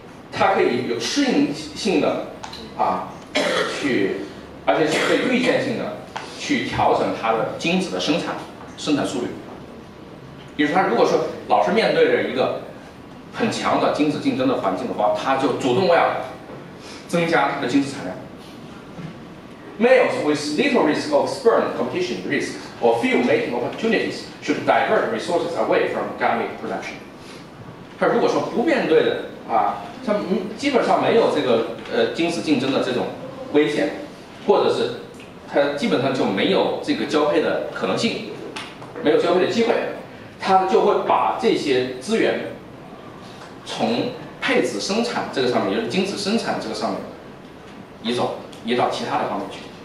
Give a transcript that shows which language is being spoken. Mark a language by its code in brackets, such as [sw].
[zh] 它可以有适应性的啊，去，而且是可以预见性的去调整它的精子的生产速率。比如说，它如果说老是面对着一个很强的精子竞争的环境的话，它就主动要增加它的精子产量。 [en] Males with little risk of sperm competition risk or few mating opportunities should divert resources away from gamete production. [zh] 他如果说不面对的啊，他基本上没有这个精子竞争的这种危险，或者是他基本上就没有这个交配的可能性，没有交配的机会，他就会把这些资源从配子生产这个上面，也就是精子生产这个上面移走，移到其他的方面去。